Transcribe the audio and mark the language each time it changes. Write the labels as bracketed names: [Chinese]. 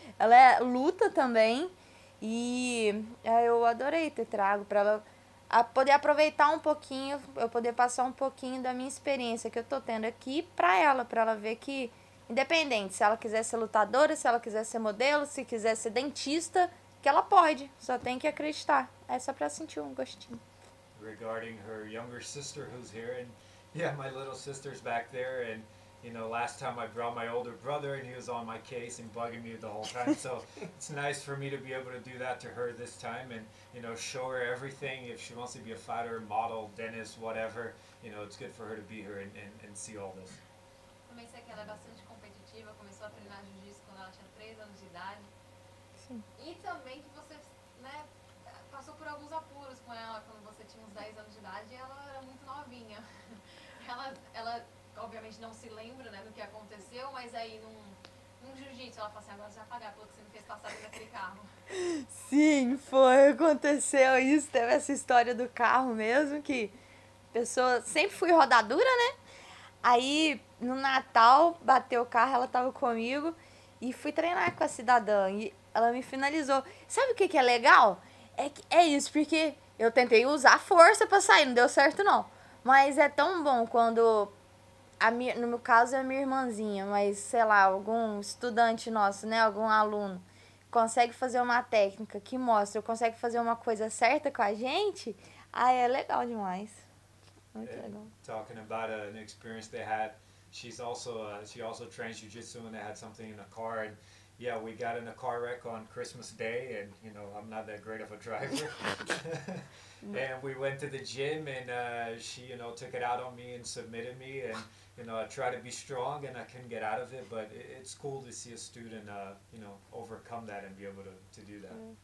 [Portuguese] Ela é luta também. E eu adorei ter trago pra ela a poder aproveitar um pouquinho, eu poder passar um pouquinho da minha experiência que eu tô tendo aqui pra ela ver que, independente, se ela quiser ser lutadora, se ela quiser ser modelo, se quiser ser dentista, que ela pode, só tem que acreditar. É só pra sentir um gostinho. [English] Regarding her younger sister who's here, and yeah, my little sister's back there, and you know, last time I brought my older brother and he was on my case and bugging me the whole time. So it's nice for me to be able to do that to her this time and, you know, show her everything. If she wants to be a fighter, model, dentist, whatever, you know, it's good for her to be here and see all this. [Portuguese] Comecei que ela é bastante competitiva, começou a treinar jiu-jitsu quando ela tinha 3 anos de idade. Sim. E também que você, né, passou por alguns apuros com ela quando você tinha uns 10 anos de idade e ela era muito novinha. Ela obviamente não se lembra, né, do que aconteceu, mas aí num jiu-jitsu ela fala assim, agora você vai pagar pelo que você me fez passar dentro daquele carro. Sim, foi, aconteceu isso, teve essa história do carro mesmo, que pessoa sempre fui rodadura, né? Aí, no Natal, bateu o carro, ela tava comigo e fui treinar com a cidadã e ela me finalizou. Sabe o que que é legal? É isso, porque eu tentei usar força pra sair, não deu certo não. Mas é tão bom quando, no meu caso é a minha irmãzinha, mas sei lá, algum estudante nosso, né, algum aluno, consegue fazer uma técnica que mostra, consegue fazer uma coisa certa com a gente, aí é legal demais. [English] Talking about an experience they had, she also trains jiu-jitsu and they had something in the car, and yeah, we got in a car wreck on Christmas Day, and you know, I'm not that great of a driver. And we went to the gym, and she, you know, took it out on me and submitted me, and you know, I tried to be strong and I couldn't get out of it, but it's cool to see a student you know, overcome that and be able to do that.